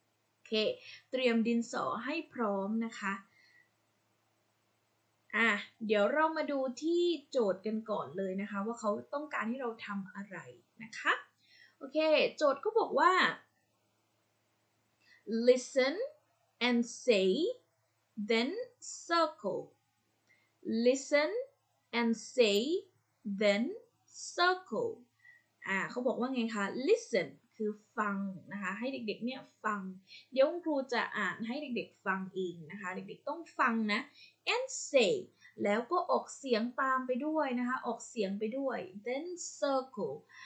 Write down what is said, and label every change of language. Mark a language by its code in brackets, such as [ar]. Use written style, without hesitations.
[th] โอเคเตรียมดินสอให้พร้อมนะคะเดี๋ยวเรามาดูที่โจทย์กันก่อนเลยนะคะว่าเขาต้องการให้เราทำอะไรนะคะโอเคโจทย์ก็บอกว่า [en] listenAnd say, then circle. Listen and say, then circle. [th] เขาบอกว่าไงคะ Listen คือฟังนะคะให้เด็กๆเนี่ยฟังเดี๋ยวครูจะอ่านให้เด็กๆฟังเองนะคะเด็กๆต้องฟังนะ [en] And say [th] แล้วก็ออกเสียงตามไปด้วยนะคะออกเสียงไปด้วย [en] Then circle.